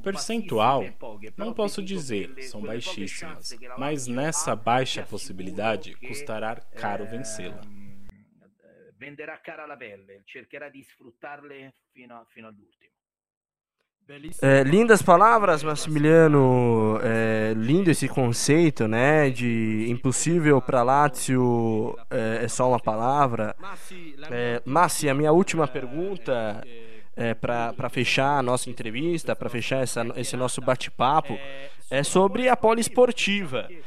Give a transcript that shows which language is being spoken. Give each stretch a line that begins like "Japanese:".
Portuguese: percentual, não posso dizer, são baixíssimas, mas nessa baixa possibilidade custará caro vencê-la.
Italian: Venderà cara la pelle, cercherà di sfruttarle fino all'ultimo.
Portuguese: Lindas palavras, Massimiliano. Lindo esse conceito, né? De impossível para Lazio é só uma palavra. Massi, a minha última pergunta para fechar a nossa entrevista, para fechar esse nosso bate-papo, é sobre a poliesportiva.